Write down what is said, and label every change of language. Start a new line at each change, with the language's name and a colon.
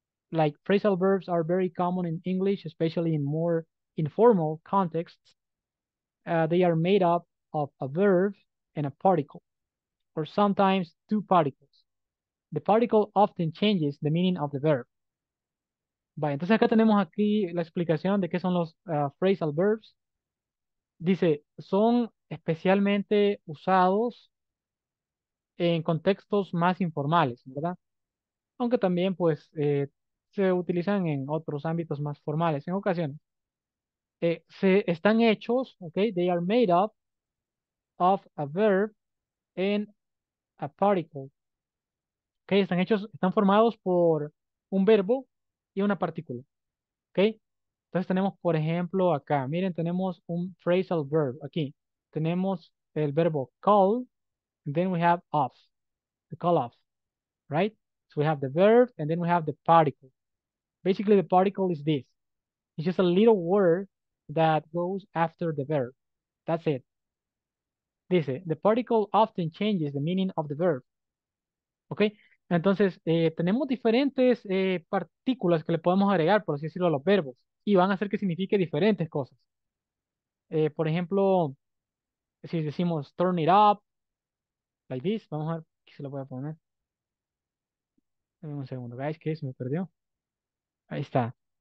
English: Like phrasal verbs are very common in English, especially in more informal contexts. They are made up of a verb and a particle, or sometimes two particles. The particle often changes the meaning of the verb.
Spanish: Vale, entonces acá tenemos aquí la explicación de qué son los phrasal verbs. Dice, son especialmente usados en contextos más informales, ¿verdad? Aunque también, pues, se utilizan en otros ámbitos más formales, en ocasiones. Están hechos, ¿ok?
English: They are made up of a verb and a particle. ¿Ok?
Spanish: Están formados por un verbo y una partícula. ¿Ok? Entonces tenemos, por ejemplo, acá. Miren, tenemos un phrasal verb aquí. Tenemos el verbo
English: call. And then we have off. The call off. Right? So we have the verb and then we have the particle. Basically, the particle is this. It's just a little word that goes after the verb. That's it. Dice, the particle often changes the meaning of the verb. ¿Ok?
Spanish: Entonces, tenemos diferentes partículas que le podemos agregar, por así decirlo, a los verbos. Y van a hacer que signifique diferentes cosas. Por ejemplo, si decimos
English: turn it up, like this.
Spanish: Vamos a ver, aquí se lo voy a poner. Un segundo, guys, que se me perdió. Ahí está.